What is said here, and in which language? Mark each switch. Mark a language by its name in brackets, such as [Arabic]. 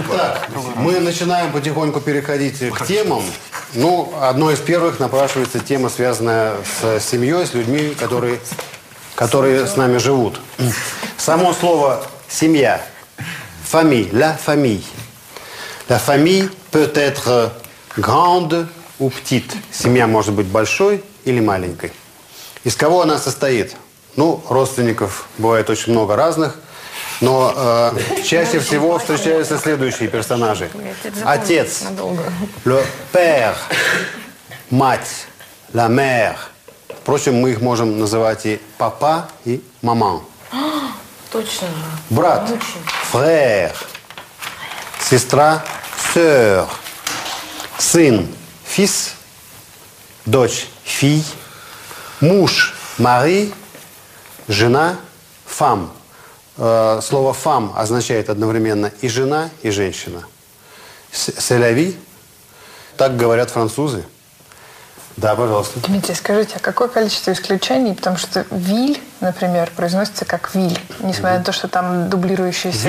[Russian] Так, мы начинаем потихоньку переходить к темам. Ну, одной из первых напрашивается тема, связанная с семьей, с людьми, которые с нами живут. Само слово «семья». Фамиль. [French] La famille. La famille peut être grande. [Russian] У птиц семья может быть большой или маленькой. Из кого она состоит? Ну, родственников бывает очень много разных, но чаще всего встречаются следующие персонажи. Отец, [French] le père, [Russian] мать, [French] la mère. [Russian] Впрочем, мы их можем называть и папа, и мама. Точно. Брат, frère, сестра, sœur, сын. Fils, дочь, fille, муж, mari, жена, femme. Слово femme означает одновременно и жена, и женщина. [French] C'est la vie. [Russian] Так говорят французы. Да, пожалуйста. Дмитрий, скажите, а какое количество исключений? Потому что «виль», например, произносится как «виль», несмотря на то, что там дублирующийся